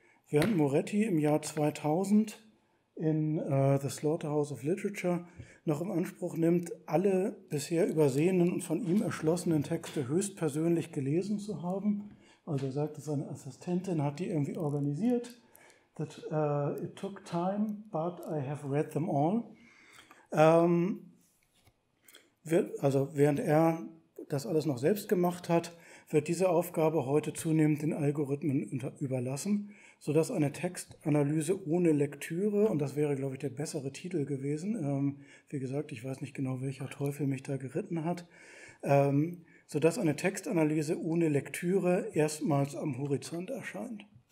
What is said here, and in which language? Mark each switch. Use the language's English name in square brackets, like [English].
[German] Während Moretti im Jahr 2000 in The Slaughterhouse of Literature noch in Anspruch nimmt, alle bisher übersehenen und von ihm erschlossenen Texte höchstpersönlich gelesen zu haben. Also er sagt, seine Assistentin hat die irgendwie organisiert. [English] It took time, but I have read them all. [German] Während er das alles noch selbst gemacht hat, wird diese Aufgabe heute zunehmend den Algorithmen überlassen, sodass eine Textanalyse ohne Lektüre, und das wäre, glaube ich, der bessere Titel gewesen, wie gesagt, ich weiß nicht genau, welcher Teufel mich da geritten hat, sodass eine Textanalyse ohne Lektüre erstmals am Horizont erscheint.